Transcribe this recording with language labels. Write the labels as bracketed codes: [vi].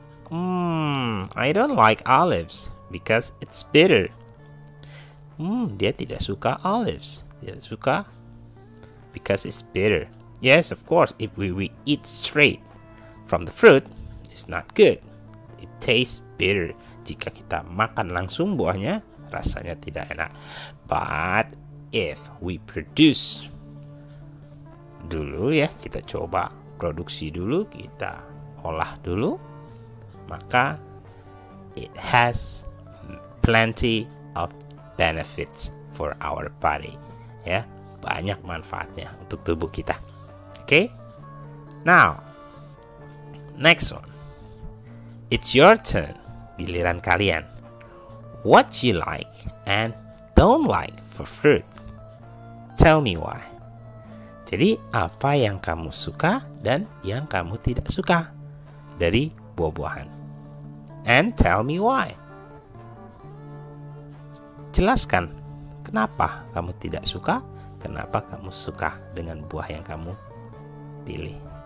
[en] I don't like olives because it's bitter. [id] Dia tidak suka olives. Dia suka because it's bitter. [en] Yes, of course, if we eat straight from the fruit, it's not good. It tastes bitter. [id] Jika kita makan langsung buahnya, rasanya tidak enak. [en] But if we produce [id] dulu ya, kita coba produksi dulu, kita olah dulu, maka [en] it has plenty of benefits for our body. [id] Ya, banyak manfaatnya untuk tubuh kita. [en] Okay, now next one. It's your turn. Giliran kalian. What you like and don't like for fruit? Tell me why. [id] Jadi apa yang kamu suka dan yang kamu tidak suka dari buah-buahan? [en] And tell me why. [id] Jelaskan kenapa kamu tidak suka, kenapa kamu suka dengan buah yang kamu pilih.